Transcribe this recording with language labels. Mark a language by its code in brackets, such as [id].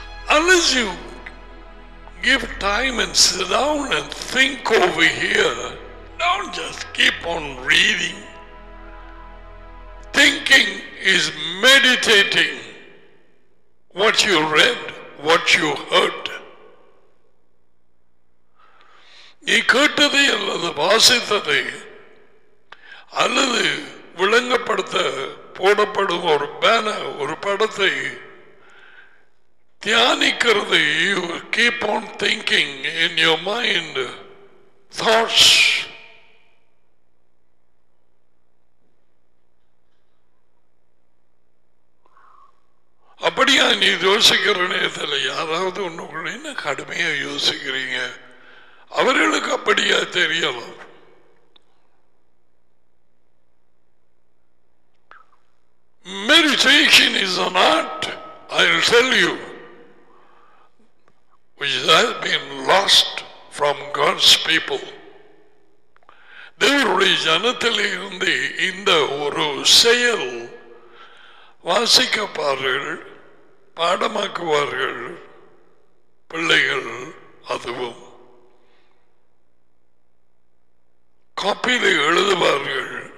[en] Unless you give time and sit down and think over here, don't just keep on reading. Thinking is meditating what you read, what you heard. [ta] நீ கேட்டதை அல்லது வாசித்ததை அல்லது விளங்கப்படுத்த போடப்படும் ஒரு banner, ஒரு படத்தை தியானிக்கிறது. [en] You keep on thinking in your mind thoughts. [ta] அப்படியா நீ யோசிக்கிற நேரத்தில் யாராவது ஒன்றுக்குள்ள என்ன கடுமையா யோசிக்கிறீங்க? அவர்களுக்கு அப்படியா தெரியலாம். [en] Meditation is an art. I'll tell you, which has been lost from God's people. [ta] தேவருடைய ஜனத்திலிருந்து இந்த ஒரு செயல் வாசிக்கப்பார்கள், பாடமாக்குவார்கள் பிள்ளைகள். அதுவும் காப்பியில் எழுதுவார்கள்.